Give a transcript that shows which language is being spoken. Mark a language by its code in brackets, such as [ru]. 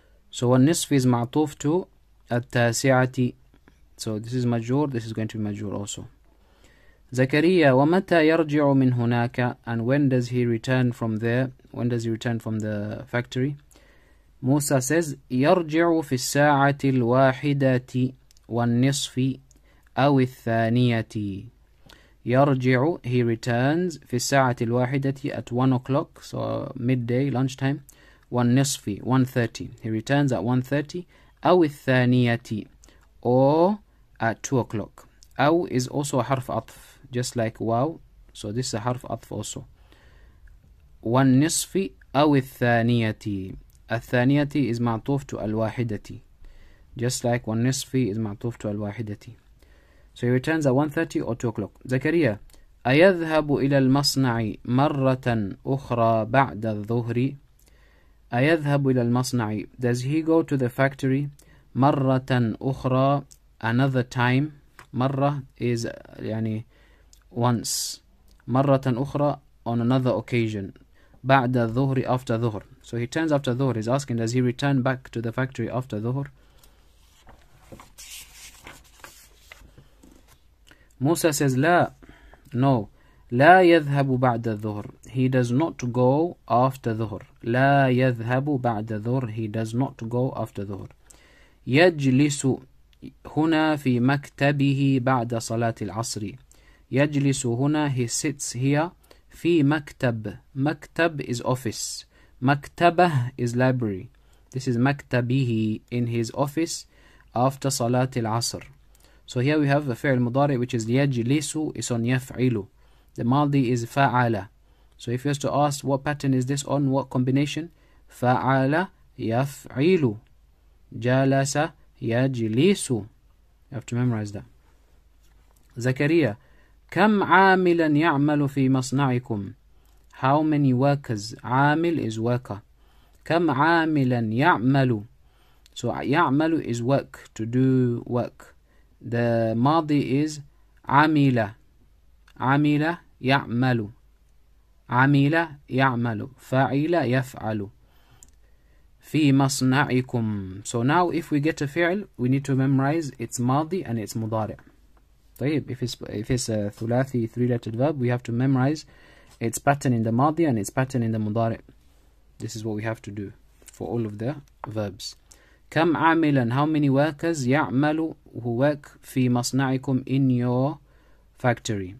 [en] So النصف is معطوف to التاسعة. So this is مجرور. This is going to be مجرور also. [ar] Zakaria. ومتى يرجع من هناك? [en] And when does he return from there? When does he return from the factory? [ar] موسى says, يرجع في الساعة الواحدة والنصف. أو الثانية. [en] يرجع, he returns [ar] في الساعة الواحدة [en] at 1 o'clock, so midday, lunch time. والنصف, 1:30. He returns at 1:30. [ar] أو الثانية, [en] or at 2 o'clock. أو is also a harf atf, just like wow. So this is a harf atf also. [ar] والنصف أو الثانية. الثانية is معطوف to الواحدة, [en] just like [ar] والنصف is معطوف to الواحدة. [en] So he returns at 1:30 or 2 o'clock. [ar] Zakaria, أيذهب إلى المصنع مرة أخرى بعد الظهر. أيذهب إلى المصنع. [en] Does he go to the factory [ar] مرة أخرى? [en] Another time. مرة is يعني once. [ar] مرة أخرى, [en] on another occasion. [ar] بعد الظهر, after ظهر. [en] So he turns after ظهر. He's asking, does he return back to the factory after ظهر? [ar] Musa says, لا, no, لا يذهب بعد الظهر. [en] He does not go after ظهر. [ar] لا يذهب بعد ظهر. [en] He does not go after ظهر. [ar] يجلس هنا في مكتبه بعد صلاة العصر. يجلس هنا. [en] He sits here. [ar] في مكتب. [en] مكتب is office. مكتبه is library. This is مكتبه, in his office after صلاة العصر. So here we have a fi'l mudari, which is yajlisu, is on yaf'ilu. The madi is fa'ala. So if you were to ask what pattern is this on, what combination? Fa'ala yaf'ilu. Jalasa yajlisu. You have to memorize that. [ar] Zakaria. Kam amilan ya'malu fi masna'ikum. [en] How many workers? Amil is worker. Kam amilan ya'malu. So ya'malu is work, to do work. The madi is amila. Amila ya'malu. [ar] عمل يعمل فعل يفعل في مصنعكم. [en] So now if we get a fi'l, we need to memorize its madi and its mudari. طيب, if it's a ثلاثي three-letter verb, we have to memorize its pattern in the madi and its pattern in the mudari. This is what we have to do for all of the verbs. [ar] كم عاملا, [en] how many workers, يعمل, who work [ar] في مصنعكم, [en] in your factory.